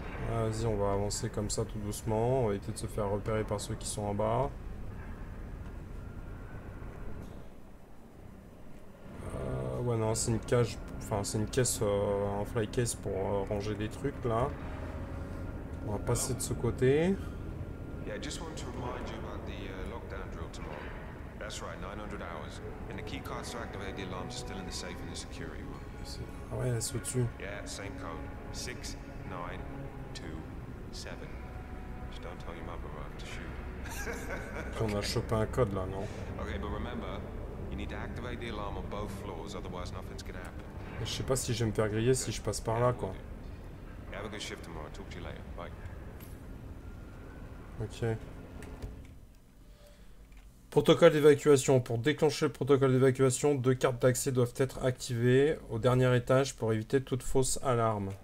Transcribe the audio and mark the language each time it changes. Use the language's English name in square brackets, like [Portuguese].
[French] Vas-y, on va avancer comme ça tout doucement. On va éviter de se faire repérer par ceux qui sont en bas. Ouais, non, c'est une cage, enfin c'est une caisse, un fly case pour ranger des trucs là. On va passer de ce côté. [English] Yeah, I just want to remind you about the lockdown drill tomorrow. That's right, 900 hours. And the key cards to activate the alarm are still in the safe in the security room. [French] Ah ouais, c'est au-dessus. [English] Yeah, same code. 6927. Just don't tell your mother I have to shoot. [French] Okay. On a chopé un code là, non? [English] Okay, but remember. You need to activate the alarm on both floors, otherwise nothing's gonna happen. [French] Je sais pas si je vais me faire griller si je passe par là, quoi. [English] Have a good shift tomorrow. Talk to you later. Bye. Ok. [French] Protocole d'évacuation. Pour déclencher le protocole d'évacuation, deux cartes d'accès doivent être activées au dernier étage pour éviter toute fausse alarme.